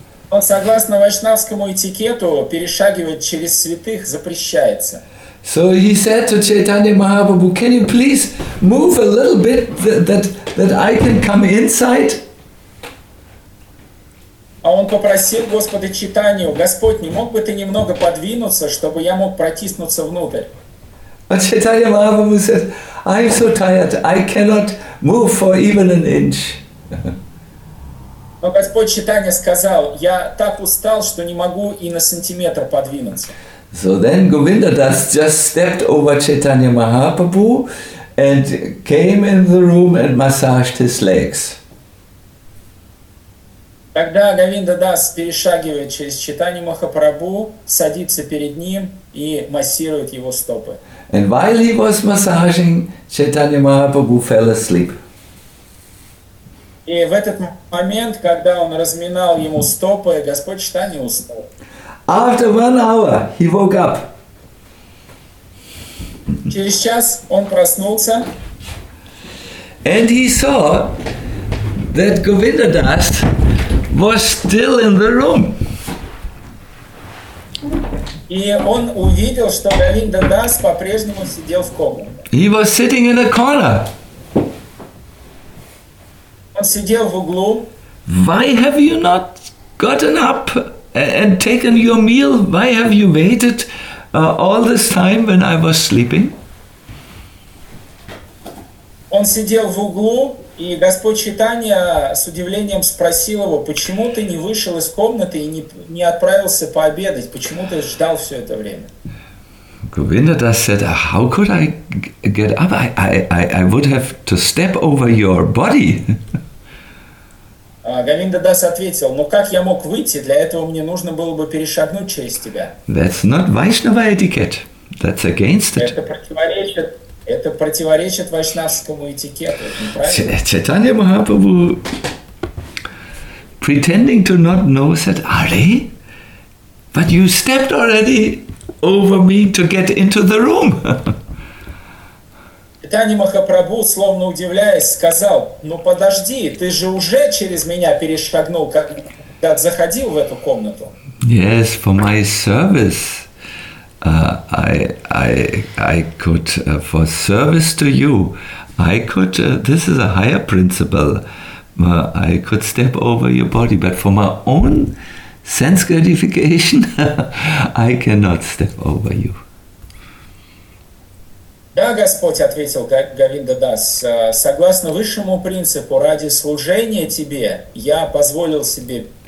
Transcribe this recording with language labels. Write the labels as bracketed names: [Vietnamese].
[Russian] Но согласно вайшнавскому этикету, перешагивать через святых запрещается. [English] So he said to Chaitanya Mahaprabhu, can you please move a little bit that I can come inside? [Russian] А он попросил Господа Чайтанью, Господь, не мог бы ты немного подвинуться, чтобы я мог протиснуться внутрь? [English] А Chaitanya Mahaprabhu said, I'm so tired, I cannot move for even an inch. [Russian] Но Господь Чайтанья сказал, я так устал, что не могу и на сантиметр подвинуться. [English] So then Govinda Das just stepped over Chaitanya Mahaprabhu and came in the room and massaged his legs. [Russian] Когда Говинда Дас перешагивает через Чайтанью Махапрабху, садится перед ним и массирует его стопы. [English] And while he was massaging, Chaitanya Mahaprabhu fell asleep. [Russian] И в этот момент, когда он разминал ему стопы, Господь Чайтанья уснул. [English] After 1 hour, he woke up. [Russian] Через час он проснулся. [English] And he saw that Govinda Das was still in the room. [Russian] И он увидел, что Говинда Дас по-прежнему сидел в комнате. [English] He was sitting in a corner. [Russian] Он сидел в углу. [English] Why have you not gotten up and taken your meal? Why have you waited all this time when I was sleeping? [Russian] Он сидел в углу, и Господь Чайтанья с удивлением спросил его, почему ты не вышел из комнаты и не отправился пообедать? Почему ты ждал все это время? [English] Govinda Das said, how could I get up? I would have to step over your body. [Russian] Говинда Дас ответил, ну как я мог выйти? Для этого мне нужно было бы перешагнуть через тебя. [English] That's not Vaishnava etiquette. That's against it. [Russian] Это противоречит вайшнавскому этикету. [English] Chaitanya Mahaprabhu, pretending to not know, said, Are? But you stepped already over me to get into the room. [Russian] Чайтанья Махапрабху, словно удивляясь, сказал, «Ну подожди, ты же уже через меня перешагнул, когда заходил в эту комнату». [English] Yes, for my service, I could, for service to you, I could, this is a higher principle, I could step over your body, but for my own sense gratification, I cannot step over you. [Russian] Да, Господь, ответил Говинда Дас, согласно высшему принципу, ради служения тебе я позволил себе